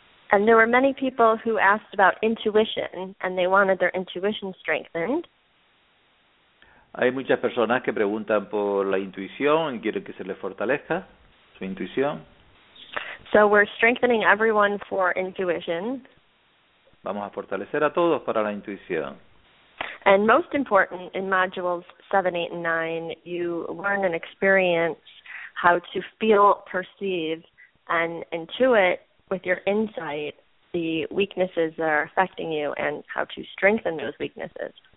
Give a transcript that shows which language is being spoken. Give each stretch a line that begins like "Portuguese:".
English: And there were many people who asked about intuition and they wanted their intuition strengthened.
Spanish: Hay muchas personas que preguntan por la intuición y quieren que se les fortalezca su intuición.
English: So we're strengthening everyone for intuition.
Spanish: Vamos a fortalecer a todos para la intuición.
English: And most important, in modules 7, 8, and 9, you learn and experience how to feel, perceive, and intuit with your insight the weaknesses that are affecting you and how to strengthen those weaknesses.